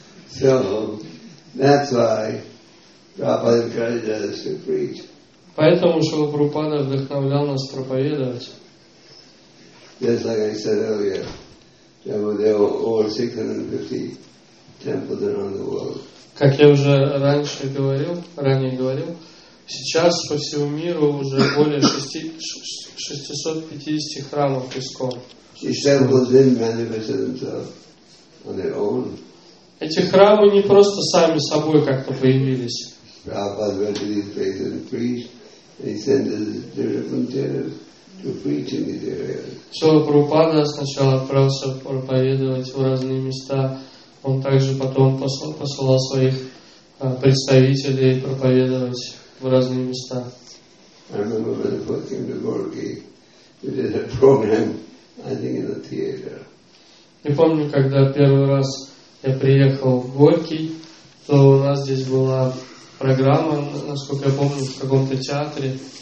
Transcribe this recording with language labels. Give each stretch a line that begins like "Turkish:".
English: So that's why Prabhupada encouraged us to preach.
Russian: Поэтому Шрила Прабхупада вдохновлял нас проповедовать.
English: Yes, like I said earlier, there were over 650 temples around the world.
Russian: Как я уже ранее говорил, сейчас по всему миру уже более 650 храмов ИСКОН. Эти храмы не просто сами собой как-то появились.
English: Prabhupada went to these places and preached. He sent us to different areas to preach in these areas.
Russian: Шрила Прабхупада сначала отправился проповедовать в разные места. Он также потом посылал своих представителей проповедовать в разные места.
English: I remember when the first came to Gorky, we did a program, I think, in the theater.
Russian: Я помню, когда первый раз я приехал в Горки, то у нас здесь была программа, насколько я помню, в каком-то театре.